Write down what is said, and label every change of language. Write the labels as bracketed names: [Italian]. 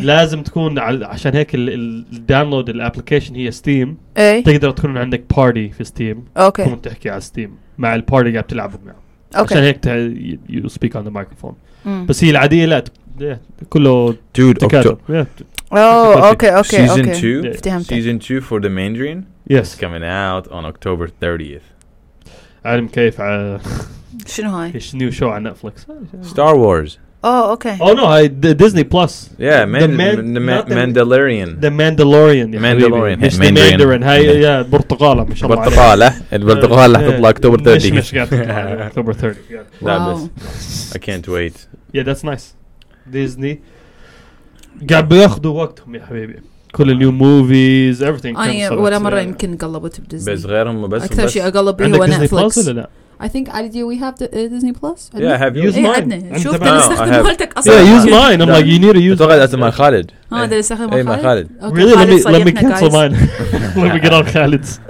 [Arabic] لازم تكون عشان هيك الداونلود الابلكيشن هي ستيم تقدر تكون عندك بارتي في ستيم اوكي تكون تحكي على ستيم مع البارتي قاعد تلعب معه عشان هيك [English] you speak on the microphone [Arabic] بس هي العاديه لا كله [English] دود Oh, okay. Season okay. 2. Yeah. Season 2 for The Mandarin. Yes. Coming out on October 30th. [Arabic] Adam كيف شنو هاي؟ [English] It's new show on Netflix. Star Wars. Oh, okay. Oh no, I Disney Plus. Yeah, Mandalorian. The Mandalorian. Mandalorian. It's the Mandarin. [Arabic] هاي يا برتقالة ما شاء الله. برتقالة. البرتقالة راح تطلع [English] October 30th. October 30th. Wow. I can't wait. Yeah, that's nice. [Arabic] Disney قاعد بياخذوا وقتهم يا حبيبي كل اليوم موفيز everything أنا ولا مرة يمكن قلبت بديزني بس غيرهم بس أكثر شيء أقلب هو نتفلكس [English] I think I do we have the Disney Plus yeah I have use mine [Arabic] شوف ده استخدم مالتك [English] أصلا yeah use mine I'm like you need to use [Arabic] أتوقع أسمع خالد ده استخدم مال خالد [English] really let me cancel mine let me get on خالد